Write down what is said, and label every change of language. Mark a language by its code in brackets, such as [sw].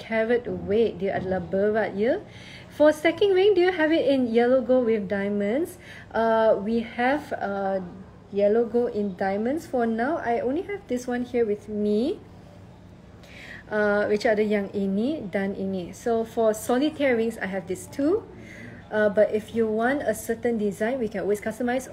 [ms] Carat weight, dia adalah berat here. [en] For stacking ring, do you have it in yellow gold with diamonds? We have yellow gold in diamonds for now. I only have this one here with me. Which are the [ms] yang ini dan ini. [en] So for solitaire rings, I have these two. But if you want a certain design, we can always customize.